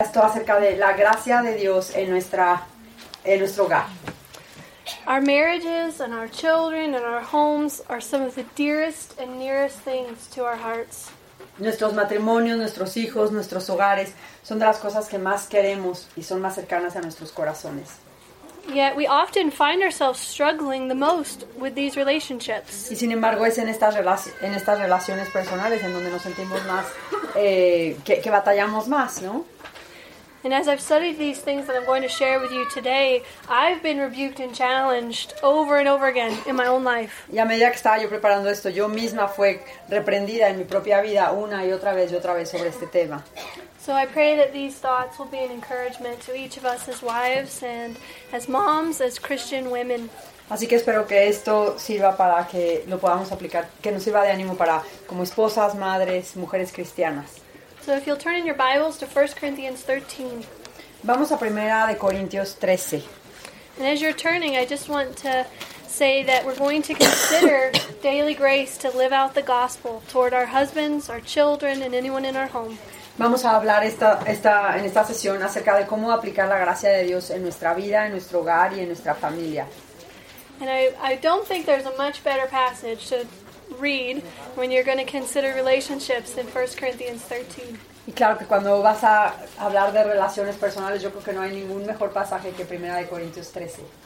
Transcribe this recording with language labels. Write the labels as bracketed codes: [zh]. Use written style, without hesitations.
[es] esto acerca de la gracia de Dios en nuestra en nuestro hogar. [en] Our marriages and our children and our homes are some of the dearest and nearest things to our hearts. [es] Nuestros matrimonios, nuestros hijos, nuestros hogares son de las cosas que más queremos y son más cercanas a nuestros corazones. [en] Yet we often find ourselves struggling the most with these relationships. [es] Y sin embargo es en estas relaciones personales en donde nos sentimos más que batallamos más, ¿no? [en] And as I've studied these things that I'm going to share with you today, I've been rebuked and challenged over and over again in my own life. [es] Y a medida que estaba yo preparando esto, yo misma fue reprendida en mi propia vida una y otra vez sobre este tema. [en] So I pray that these thoughts will be an encouragement to each of us as wives and as moms, as Christian women. [es] Así que espero que esto sirva para que lo podamos aplicar, que nos sirva de ánimo para como esposas, madres, mujeres cristianas. [en] So if you'll turn in your Bibles to 1 Corinthians 13. [es] Vamos a Primera de Corintios 13. [en] And as you're turning, I just want to say that we're going to consider daily grace to live out the gospel toward our husbands, our children, and anyone in our home. [es] Vamos a hablar en esta sesión acerca de cómo aplicar la gracia de Dios en nuestra vida, en nuestro hogar y en nuestra familia. [en] And I don't think there's a much better passage to read when you're going to consider relationships in 1 Corinthians 13. [es] Y claro que cuando vas a hablar de relaciones personales, yo creo que no hay ningún mejor pasaje que Primera de Corintios 13.